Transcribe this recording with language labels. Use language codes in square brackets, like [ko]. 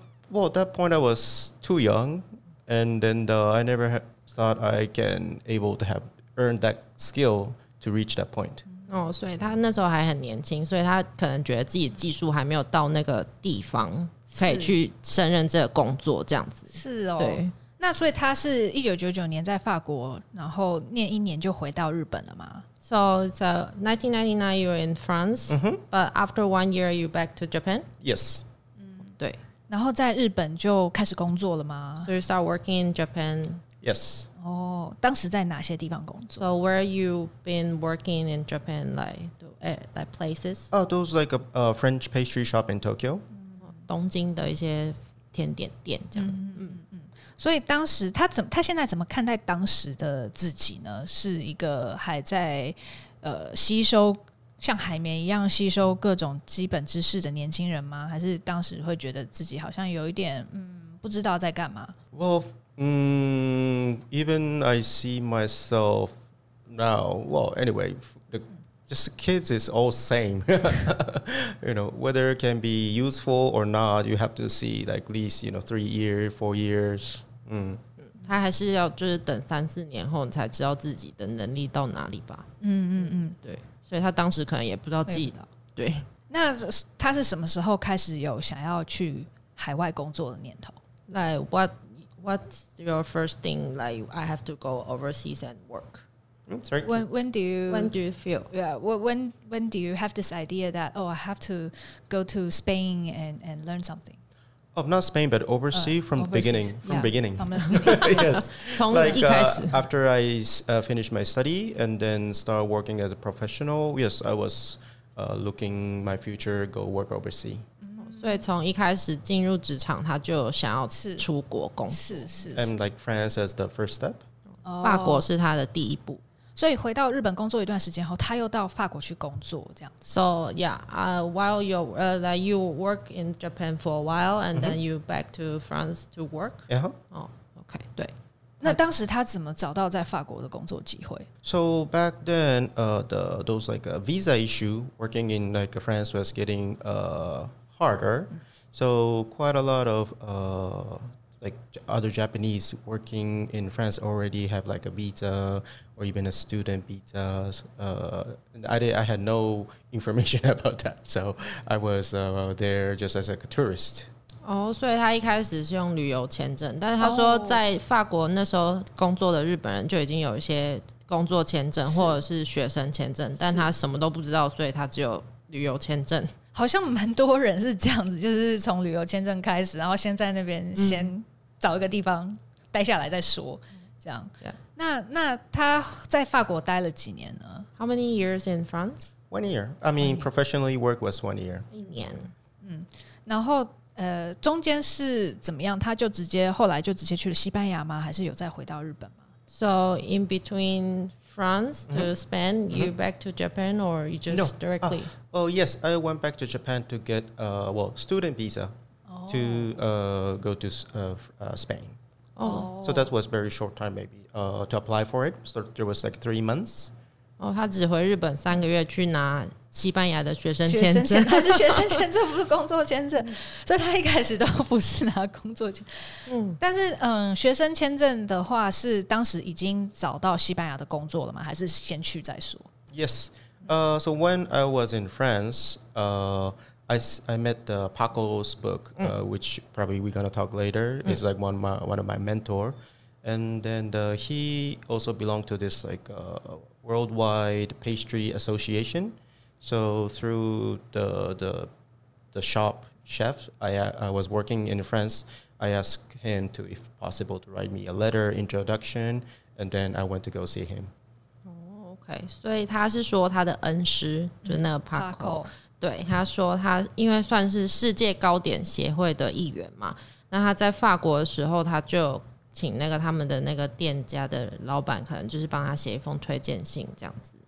[en] Well, at that point I was too young, and then I never thought I can able to have earned that skill to reach that point. [zh] 所以他那时候还很年轻，所以他可能觉得自己技术还没有到那个地方，可以去胜任这个工作这样子。是哦。对。那所以他是1999年在法国，然后念一年就回到日本了吗？ [en] So it's 1999 you're in France、but after one year you back to Japan? Yes、 [zh] 对，然后在日本就开始工作了吗？ [en] So you start working in Japan? Yes、 [zh] 当时在哪些地方工作？ [en] So where you been working in Japan, like places? Those like a French pastry shop in Tokyo、 [zh] 东京的一些甜点店这样子。所以当时他现在怎么看待当时的自己呢？是一个还在吸收像海绵一样吸收各种基本知识的年轻人吗？还是当时会觉得自己好像有一点不知道在干嘛？ [en] Well, even I see myself now. Well, anyway, just kids is all same. You know, whether it can be useful or not, you have to see like at least, you know, 3 years, 4 years. [zh] 他还是要就是等三四年后你才知道自己的能力到哪里吧。对，所以他当时可能也不知道自己的。对，那他是什么时候开始有想要去海外工作的念头？ [en] Like what's your first thing? Like I have to go overseas and work. Sorry. When do you feel? Yeah. When do you have this idea that oh I have to go to Spain and learn something? Oh, not Spain, but overseas from overseas, beginning. From yeah, beginning. Yes. Like, after I finished my study and then started working as a professional, yes, I was looking my future, go work overseas. [zh] 所以从一开始进入职场，他就想要出国工作。是是。 [en] And like France as the first step. [zh] 法国是他的第一步。所以回到日本工作一段时间后，他又到法国去工作，这样子。 [en] So yeah, while you that you work in Japan for a while, and then you back to France to work. Yeah. Oh, okay. [zh] 对。那当时他怎么找到在法国的工作机会 [en] ？So back then, the those like a visa issue working in like France was getting harder. So quite a lot of like other Japanese working in France already have like a visa or even a student visa. I had no information about that, so I was there just as like a tourist. [zh] 哦、oh, ，所以他一开始是用旅游签证，但是他说在法国那时候工作的日本人就已经有一些工作签证或者是学生签证，但他什么都不知道，所以他只有旅游签证。好像蛮多人是这样子，就是从旅游签证开始，然后先在那边先找一个地方待下来再说，这样。 [en] Yeah. [zh] 那他在法国待了几年呢 [en] ？How many years in France? One year. I mean, professionally work was one year. [zh] 一年。嗯，然后。中间是怎么样？他就直接后来就直接去了西班牙吗？还是有再回到日本吗 [en] ？So in between France to Spain, you back to Japan or you just no, directly? Oh yes, I went back to Japan to get student visa to go to Spain. Oh, so that was very short time maybe to apply for it. So there was like 3 months. [zh] 哦，他只回日本三个月去拿。西班牙的学生签证，他是学生签证，不是工作签证，所以他一开始都不是拿工作签。但是学生签证的话，是当时已经找到西班牙的工作了吗？还是先去再说 [en] ？Yes, so when I was in France, I met Paco's book, which probably we're gonna talk later. It's like one of my mentor, and then he also belonged to this like worldwide pastry association. So through the shop chef I was working in France, I asked him to, if possible, to write me a letter introduction, and then I went to go see him. Oh, okay. So he is saying his mentor, Paco. [zh] 对，他说他因为算是世界糕点协会的一员嘛，那他在法国的时候，他就请那个他们的那个店家的老板，可能就是帮他写一封推荐信，这样子